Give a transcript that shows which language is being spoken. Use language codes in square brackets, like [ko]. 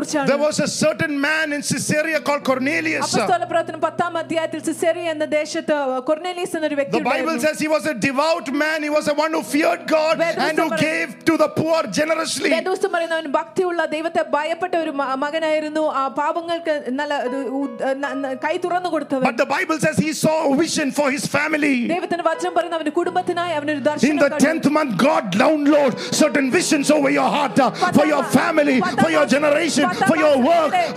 [en] There was a certain man in Caesarea called Cornelius. [ml] അപ്പോസ്തലപ്രവർത്തനം 10-ാം അധ്യായത്തിൽ സിസേറിയ എന്ന ദേശത്തെ കൊർനേലിയസ് എന്ന ഒരു വ്യക്തി ഉണ്ടായിരുന്നു. [en] The Bible says he was a devout man, he was a one who feared God and who gave to the poor generously. [ml] വേദപുസ്തകം പറയുന്നു അവൻ ഭക്തിയുള്ള ദൈവത്തെ ഭയപ്പെട്ട ഒരു മകനായിരുന്നു ആ പാപങ്ങൾക്ക് നല്ല കൈ തുറന്നു കൊടുത്തവൻ [en] But the Bible says he saw a vision for his family [ml] ദൈവത്തിന്റെ വചനം പറയുന്നു അവന്റെ കുടുംബത്തിനായി അവൻ ഒരു ദർശനം [en] കണ്ടു In the 10th month God downloaded certain visions over your heart for your family for your generation for your work